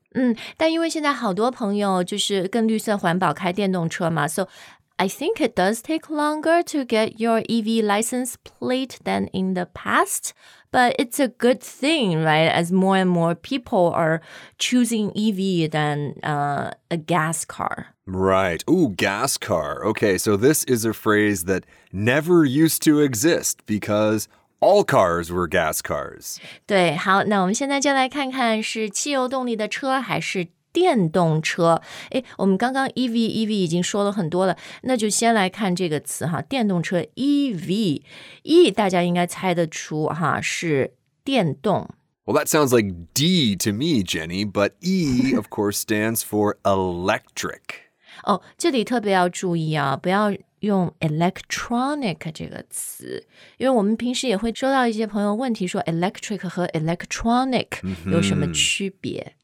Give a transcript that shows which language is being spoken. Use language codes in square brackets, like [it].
[zh] 嗯，但因为现在好多朋友就是更绿色环保开电动车嘛 [en] ，so I think it does take longer to get your EV license plate than in the past. But it's a good thing, right? As more and more people are choosing EV than a gas car. Right. Ooh, gas car. Okay, so this is a phrase that never used to exist because. All cars were gas cars. [zh] 对，好，那我们现在就来看看是汽油动力的车还是电动车。诶，我们刚刚 EV 已经说了很多了，那就先来看这个词哈，电动车 EV。 E 大家应该猜得出哈，是电动。 [en] Well, that sounds like D to me, Jenny, but E, of course, stands for electric. [zh] 哦，这里特别要注意啊，不要用 electronic 这个词，因为我们平时也会收到一些朋友问题说 electric 和 electronic 有什么区别、